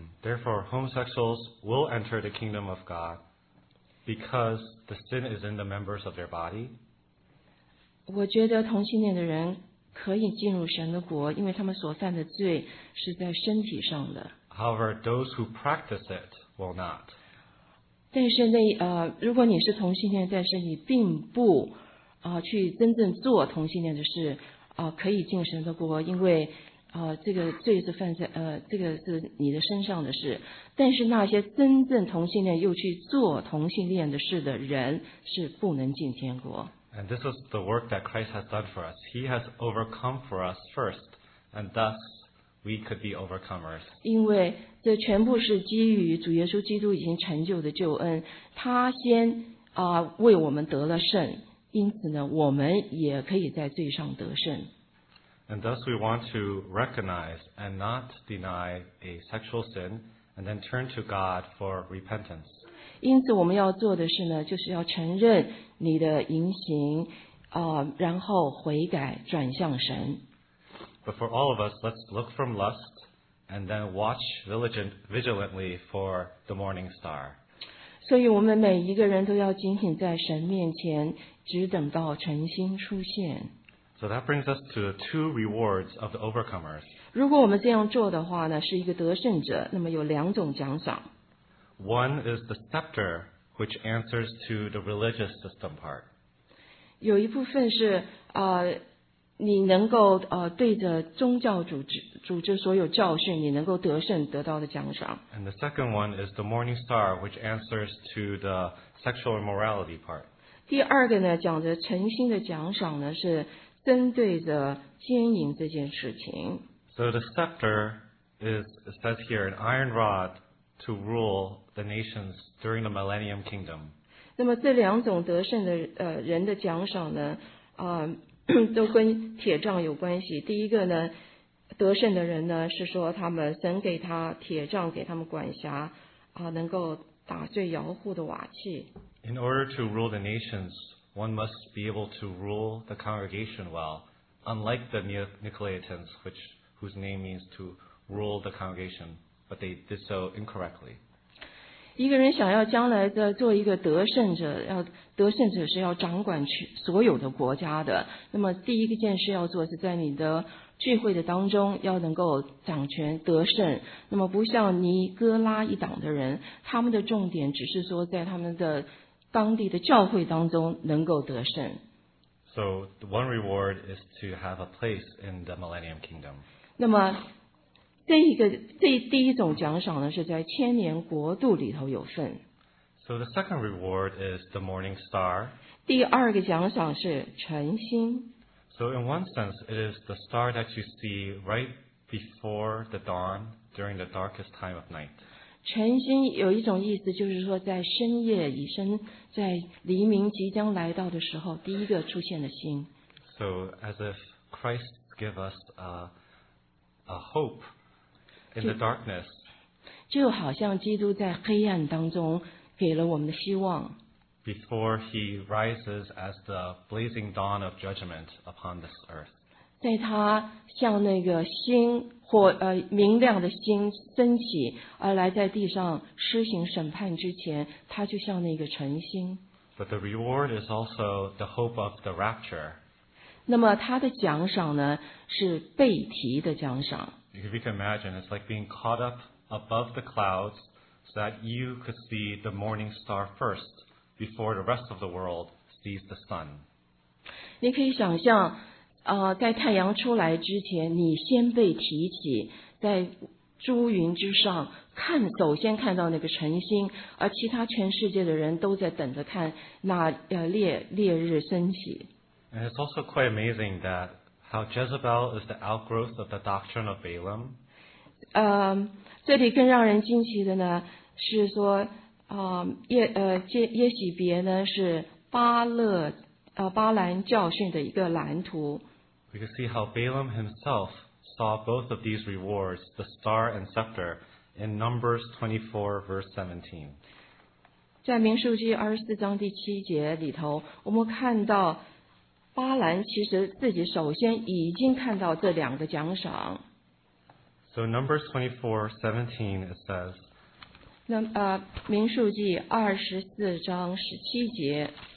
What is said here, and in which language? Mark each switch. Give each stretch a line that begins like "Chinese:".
English: Therefore, homosexuals will enter the kingdom of God because the sin is in the members of their body.
Chinese: 我觉得同性恋的人可以进入神的国，因为他们所犯的罪是在身体上的。
English: However, those who practice it will not.
Chinese: 但是那如果你是同性恋，但是你并不去真正做同性恋的事。可以进神的国，因为这个罪是犯在这个是你的身上的事。但是那些真正同性恋又去做同性恋的事的人是不能进天国。
English: And this is the work that Christ has done for us. He has overcome for us first, and thus we could be overcomers.
Chinese: 因为这全部是基于主耶稣基督已经成就的救恩，他先为我们得了胜。因此呢，我们也可以在罪上得胜。
English: And thus we want to recognize and not deny a sexual sin, and then turn to God for repentance.
Chinese: 因此我们要做的事呢，就是要承认你的淫行，然后悔改，转向神。
English: But for all of us, let's look from lust, and then watch vigilantly for the morning star.
Chinese: 所以我们每一个人都要警醒在神面前。只等到晨星出现。
English: So that brings us to the two rewards of the overcomers.
Chinese: 如果我们这样做的话呢，是一个得胜者，那么有两种奖赏。
English: One is the scepter, which answers to the religious system part.
Chinese: 有一部分是你能够对着宗教组织所有教训，你能够得胜得到的奖赏。
English: And the second one is the morning star, which answers to the sexual immorality part.
Chinese: 第二个呢，讲着诚心的奖赏呢，是针对着奸淫这件事情。
English: So the scepter is says here an iron rod to rule the nations during the millennium kingdom.
Chinese: 那么这两种得胜的人的奖赏呢，都跟铁杖有关系。第一个呢，得胜的人呢是说他们神给他铁杖给他们管辖，能够打最摇户的瓦器。
English: In order to rule the nations, one must be able to rule the congregation well, unlike the Nicolaitans, whose name means to rule the congregation, but they did so incorrectly.
Chinese: 一个人想要将来的做一个得胜者，要得胜者是要掌管所有的国家的。那么第一件事要做是在你的聚会的当中要能够掌权得胜。那么不像尼哥拉一党的人，他们的重点只是说在他们的当地的教会当中能够得胜。
English: So the one reward is to have a place in the Millennium Kingdom.
Chinese: 那么第一种奖赏呢，是在千年国度里头有份。
English: So the second reward is the Morning Star.
Chinese: 第二个奖赏是晨星。
English: So in one sense, it is the star that you see right before the dawn during the darkest time of night.
Chinese: 晨星有一种意思，就是说在深夜以深，在黎明即将来到的时候，第一个出现的星。
English: So as if Christ give us a hope. In the darkness,
Chinese: 就好像基督在黑暗当中给了我们的希望。
English: Before he rises as the blazing dawn of judgment upon this earth,
Chinese: 在他像那个星火明亮的星升起而来在地上施行审判之前，他就像那个晨星。
English: But the reward is also the hope of the rapture.
Chinese: 那么他的奖赏呢是被提的奖赏。
English: If you can imagine, it's like being caught up above the clouds so that you could see the morning star first before the rest of the world sees the sun.
Chinese: 你可以想象，在太阳出来之前，你先被提起，在诸云之上看，首先看到那个晨星，而其他全世界的人都在等着看那烈日升起。
English: And it's also quite amazing that. How Jezebel is the outgrowth of the doctrine of Balaam.
Chinese: 这里更让人惊奇的呢，是说，耶洗别呢是巴兰教训的一个蓝图。
English: We can see how Balaam himself saw both of these rewards, the star and scepter, in Numbers 24, verse 17.
Chinese: 在民数记24:7里头，我们看到。巴兰其实自己首先已经看到这两个奖赏。
English: So Numbers 24:17 it says.
Chinese: 那民数记24:17。